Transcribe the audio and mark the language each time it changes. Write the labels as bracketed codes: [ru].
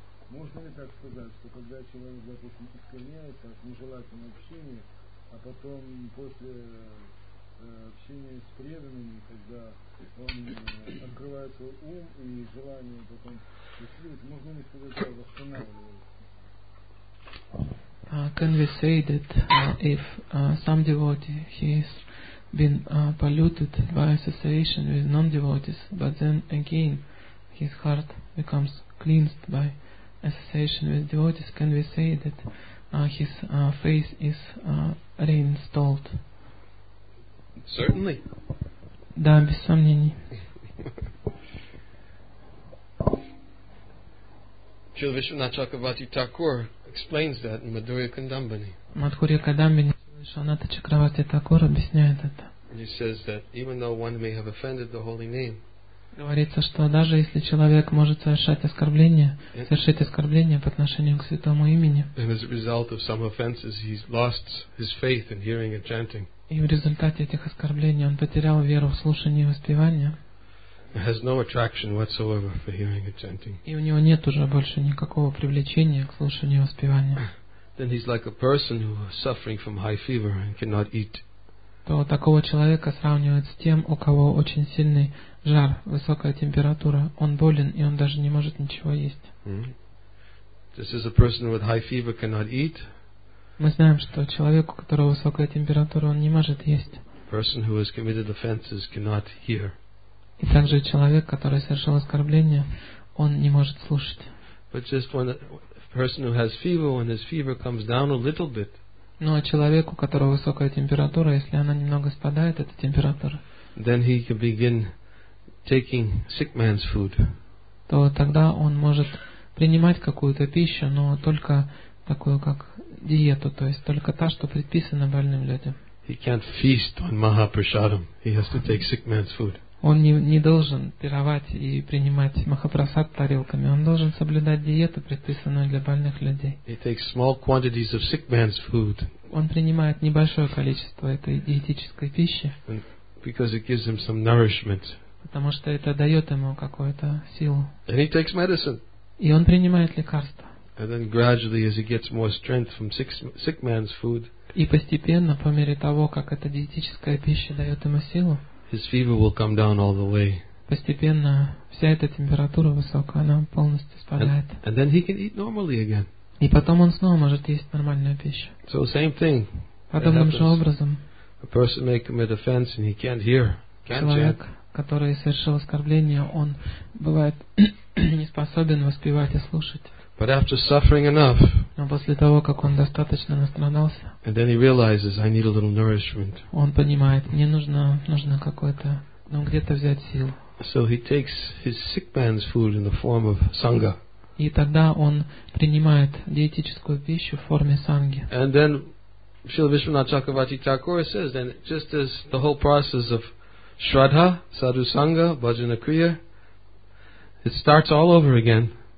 [ru] Можно ли так сказать, что когда человек, допустим, искореняется от нежелательного общения, а потом после... общение с преданными, когда он открывает свой ум и желание потом исследовать, можно ли сказать, что восстанавливается? [en] Can we say that if some devotee, he has been polluted by association with non-devotees, but then again his heart becomes cleansed by association with devotees, can we say that his faith is reinstalled? Certainly. [ru] Да, без сомнений. [en] Śrīla Viśvanātha Chakravarti Thakur explains that in Madhurya Kadambini. [ru] Madhurya Kadambini, Viśvanātha Chakravarti Thakur объясняет это. [en] He says that even though one may have offended the holy name, [ru] говорится, что даже если человек может совершить оскорбление по отношению к святому имени, [en] and as a result of some offenses, he's lost his faith in hearing and chanting. [ru] И в результате этих оскорблений он потерял веру в слушание и воспевание. [en] Has no attraction whatsoever for hearing and chanting. [ru] И у него нет уже больше никакого привлечения к слушанию и воспеванию. [en] Then he's like a person who is suffering from high fever and cannot eat. [ru] То такого человека сравнивают с тем, у кого очень сильный жар, высокая температура. Он болен, и он даже не может ничего есть. [en] This is a person with high fever cannot eat. [ru] Мы знаем, что человек, у которого высокая температура, он не может есть. [en] Person who has committed offenses cannot hear. [ru] И также человек, который совершил оскорбление, он не может слушать. [en] But just when a person who has fever, when his fever comes down a little bit. [ru] Но человек, у которого высокая температура, если она немного спадает, эта температура, [en] then he can begin taking sick man's food. [ru] То тогда он может принимать какую-то пищу, но только такую, как диету, то есть только та, что предписана больным людям. [en] He can't feast on Mahaprasadam. He has to take sick man's food. [ru] Он не должен пировать и принимать махапрасад тарелками. Он должен соблюдать диету, предписанную для больных людей. [en] He takes small quantities of sick man's food. [ru] Он принимает небольшое количество этой диетической пищи. [en] Because it gives him some nourishment. [ru] Потому что это дает ему какую-то силу. [en] And he takes medicine. [ru] И он принимает лекарства. [en] And then gradually, as he gets more strength from sick man's food, [ru] и постепенно, по мере того, как эта диетическая пища дает ему силу, [en] his fever will come down all the way. [ru] Постепенно вся эта температура высокая, она полностью спадает. [en] And then he can eat normally again. [ru] И потом он снова может есть нормальную пищу. [en] So same thing. [ru] Подобным же образом. [en] A person may commit offense and he can't hear, can't chant. [ru] Который совершил оскорбление, он бывает не способен воспевать и слушать. [en] But after suffering enough, [ru] но после того, как он достаточно настрадался, [en] and then he realizes, I need a little nourishment. [ru] Он понимает, мне нужно какое-то, ну, где-то взять сил. [en] So he takes his sick man's food in the form of sangha. [ru] И тогда он принимает диетическую пищу в форме санги. [en] And then Srila Vishwanath Chakravarti Thakur says then just as the whole process of Shraddha, Sadhu Sangha, Bhajana Kriya, it starts all over again.